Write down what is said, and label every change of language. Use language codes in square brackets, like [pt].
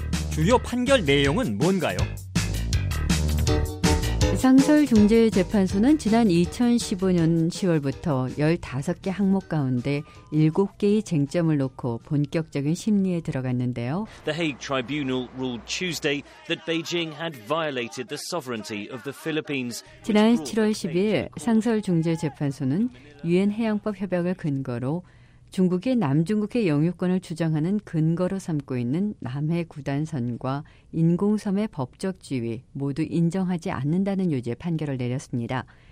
[ko] 주요 판결 내용은 뭔가요? 상설중재재판소는 지난 2015년 10월부터 15개 항목 가운데 7개의 쟁점을 놓고 본격적인 심리에 들어갔는데요. [en] The Hague Tribunal ruled Tuesday that Beijing had violated the sovereignty of the Philippines. [ko] 지난 7월 12일 상설중재재판소는 유엔 해양법 협약을 근거로 중국이 남중국해 영유권을 주장하는 근거로 삼고 있는 남해 구단선과 인공섬의 법적 지위 모두 인정하지 않는다는 요지의 판결을 내렸습니다.